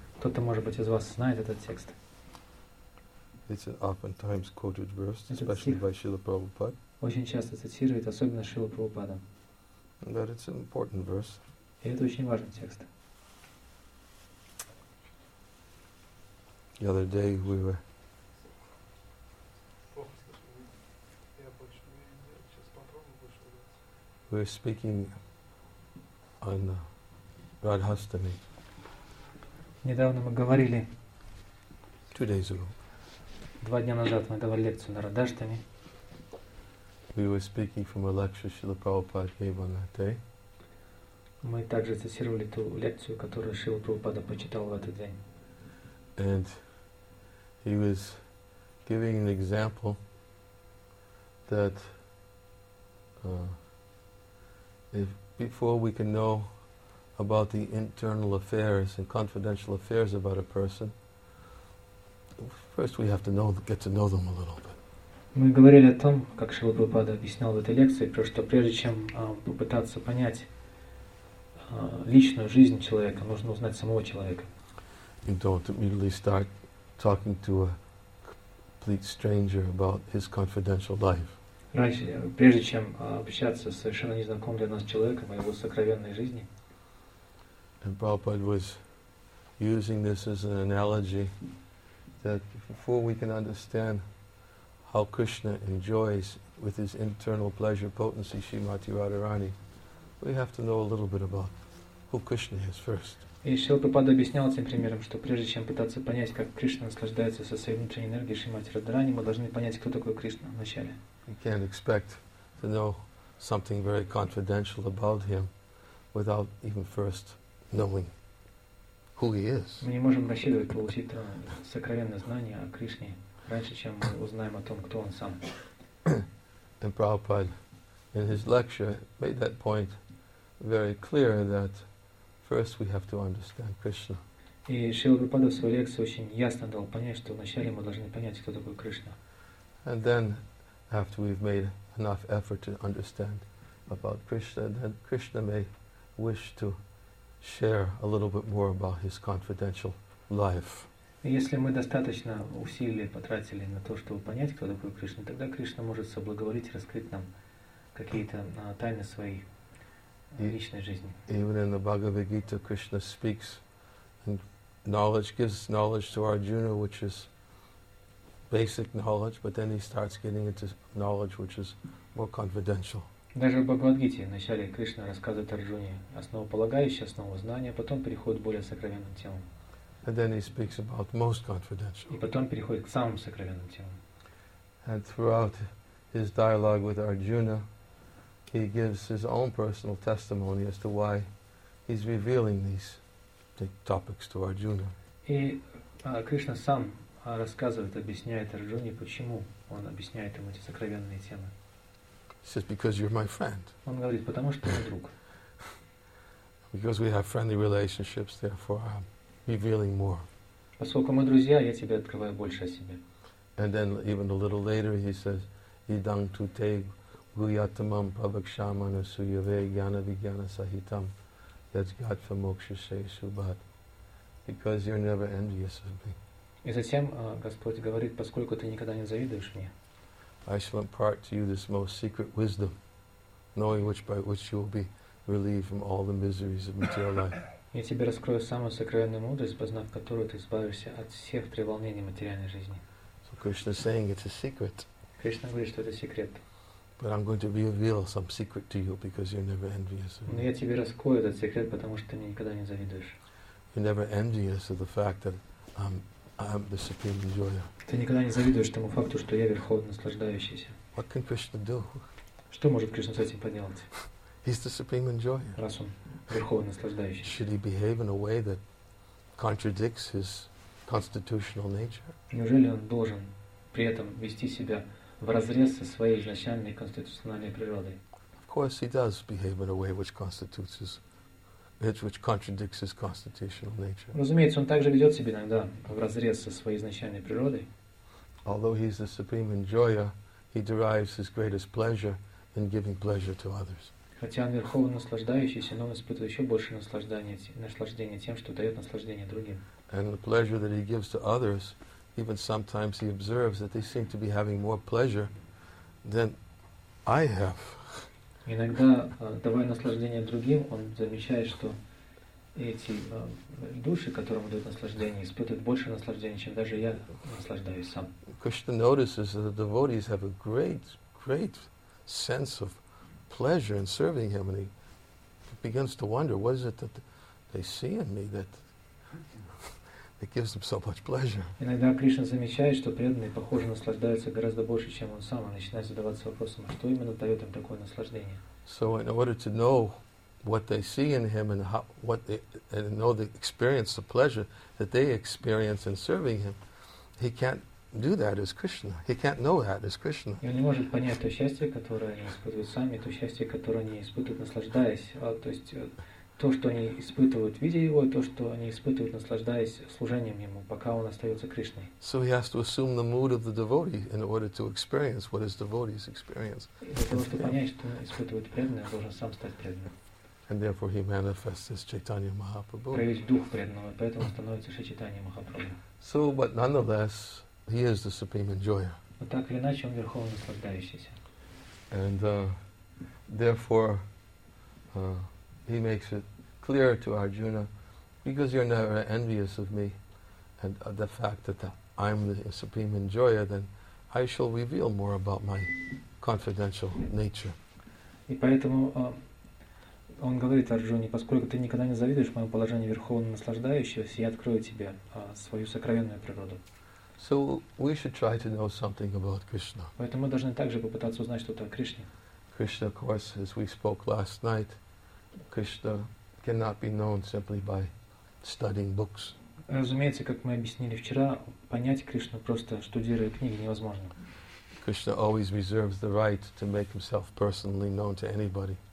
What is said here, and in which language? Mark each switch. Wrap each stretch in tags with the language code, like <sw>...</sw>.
<ru>Кто-то, может быть, из вас знает этот текст.</ru> <en>It's an oftentimes quoted verse, especially by Srila Prabhupada.</en> <ru>Очень часто цитирует, особенно Шрила Прабхупада.</ru> <en>But it's an important verse.</en> <ru>И это очень важный текст.</ru> <en>The other day we were speaking on Radhastami.</en> <ru>Недавно мы говорили.</ru> <en>Two days ago.</en> <ru>Два дня назад мы давали лекцию на Радхастами.</ru> <en>We were speaking from a lecture Srila Prabhupada gave on that day.</en> <ru>Мы также цитировали ту лекцию, которую Шрила Прабхупада прочитал в этот день.</ru> <en>And he was giving an example that if before we can know about the internal affairs and confidential affairs about a person, first we have to know, get to know them a little bit.</en> <ru>Мы говорили о том, как Шрила Прабхупада объяснял в этой лекции, что прежде чем попытаться понять личную жизнь человека, нужно узнать самого человека.</ru> <en>You don't immediately start talking to a complete stranger about his confidential life.</en> <ru>Раньше, прежде чем общаться с совершенно незнакомым для нас человеком о его сокровенной жизни.</ru> <en>And Prabhupada was using this as an analogy that before we can understand how Krishna enjoys with his internal pleasure potency Srimati Radharani, we have to know a little bit about who Krishna is first.</en> <ru>И Шрила Прабхупада объяснял этим примером, что прежде чем пытаться понять, как Кришна наслаждается со своей внутренней энергией Шримати Радхарани, мы должны понять, кто такой Кришна вначале.</ru> <en>You can't expect to know something very confidential about him without even first knowing who he is.</en> <ru>Мы не можем рассчитывать получить сокровенное знание о Кришне раньше, чем мы узнаем о том, кто он сам.</ru> <en>And Prabhupada in his lecture made that point very clear that first we have to understand Krishna.</en> <ru>И Шрила Прабхупада в своей лекции очень ясно дал понять, что вначале мы должны понять, кто такой Кришна.</ru> <en>And then after we've made enough effort to understand about Krishna, then Krishna may wish to share a little bit more about his confidential life.</en> <ru>Если мы достаточно усилий потратили на то, чтобы понять, кто такой Кришна, тогда Кришна может соблаговолить раскрыть нам какие-то тайны своей личной жизни.</ru> <en>Even in the Bhagavad Gita, Krishna speaks and knowledge, gives knowledge to Arjuna, which is basic knowledge, but then he starts getting into knowledge which is more confidential.</en> <ru>Даже в Бхагавад-гите вначале Кришна рассказывает Арджуне основополагающие основы знания, потом переходит к более сокровенным темам.</ru> <en>And then he speaks about most confidential.</en> <ru>И потом переходит к самым сокровенным темам.</ru> <en>And throughout his dialogue with Arjuna, he gives his own personal testimony as to why he's revealing these topics to Arjuna.</en> <ru>И Кришна сам рассказывает, объясняет Арджуне, почему он объясняет ему эти сокровенные темы.</ru> <en>He says, "Because you're my friend."</en> <ru>Он говорит, потому что мой друг.</ru> <en>Because we have friendly relationships, therefore I'm revealing more.</en> <ru>Поскольку мы друзья, я тебе открываю больше о себе.</ru> <en>And then even a little later he says,</en> <sa>"Idam tu te guyatamam pravakshamana suyave jnana vijnana sahitam yajgat famoksha seshubhat."</sa> <en>Because you're never envious of me.</en> <ru>И затем Господь говорит, поскольку ты никогда не завидуешь мне,</ru> <en>I shall impart to you this most secret wisdom, knowing which by which you will be relieved from all the miseries of material life.</en> <ru>Я тебе раскрою самую сокровенную мудрость, познав которую ты избавишься от всех треволнений материальной жизни.</ru> <en>So Krishna is saying it's a secret.</en> <ru>Кришна говорит, что это секрет.</ru> <en>But I'm going to reveal some secret to you because you're never envious of me.</en> <ru>Но я тебе раскрою этот секрет, потому что ты мне никогда не завидуешь.</ru> <en>You're never envious of the fact that I'm the supreme enjoyer.</en> <ru>Ты никогда не завидуешь тому факту, что я верховный наслаждающийся.</ru> <en>What can Krishna do?</en> <ru>Что может Кришна с этим поделать?</ru> <en>He's the supreme enjoyer.</en> <ru>Раз он верховный наслаждающийся.</ru> <en>Should he behave in a way that contradicts his constitutional nature?</en> <ru>Неужели он должен при этом вести себя в разрез со своей изначальной конституциональной природой?</ru> <en>Of course, he does behave in a way which constitutes his. Which contradicts his constitutional nature.</en> <ru>Разумеется, он также ведет себя иногда в разрез со своей изначальной природой.</ru> <en>although he's the supreme enjoyer, he derives his greatest pleasure in giving pleasure to others.</en> <ru>Хотя он верховно наслаждающийся, но он испытывает еще больше наслаждения тем, что дает наслаждение другим.</ru> <en>And the pleasure that he gives to others, even sometimes he observes that they seem to be having more pleasure than I have.</en> <ru>Иногда, давая наслаждение другим, он замечает, что эти души, которым дают наслаждение, испытывают больше наслаждения, чем даже я наслаждаюсь сам.</ru> <en>Krishna notices that the devotees have a great, great sense of pleasure in serving him, and he begins to wonder, what is it that they see in me that it gives them so much pleasure?</en> <ru>Иногда Кришна замечает, что преданные, похоже, наслаждаются гораздо больше, чем он сам, и начинает задаваться вопросом, что именно дает им такое наслаждение.</ru> <en>So in order to know what they see in him and how, what they, and know the experience, the pleasure that they experience in serving him, he can't do that as Krishna. He can't know that as Krishna.</en> <ru>И он не может понять то счастье, которое они испытывают сами, то счастье, которое они испытывают, наслаждаясь, то есть то, что они испытывают, видя его, и то, что они испытывают, наслаждаясь служением ему, пока он остается Кришной.</ru> <en>So he has to assume the mood of the devotee in order to experience what his devotee's experience.</en> <ru>Для того, чтобы понять, что испытывает преданный, должен сам стать преданным.</ru> <en>And therefore he manifests as Chaitanya Mahaprabhu.</en> <ru>Проявить дух преданного, поэтому становится Шачитанья Махапрабху.</ru> <en>So, but nonetheless, he is the supreme enjoyer.</en> <ru>Но так или иначе, он верховно наслаждающийся.</ru> <en>And therefore, he makes it clear to Arjuna, because you're never envious of me, and the fact that I'm the supreme enjoyer, then I shall reveal more about my confidential nature.</en> <ru>И поэтому он говорит Арджуне, поскольку ты никогда не завидуешь моему положению верховно наслаждающегося, я открою тебе свою сокровенную природу.</ru> <en>So we should try to know something about Krishna.</en> <ru>Поэтому мы должны также попытаться узнать что-то о Кришне.</ru> <en>Krishna, of course, as we spoke last night, Krishna cannot be known simply by studying books.</en> <ru>Разумеется, как мы объяснили вчера, понять Кришну просто студируя книги невозможно.</ru> <en>Krishna always reserves the right to make himself personally known to anybody.</en>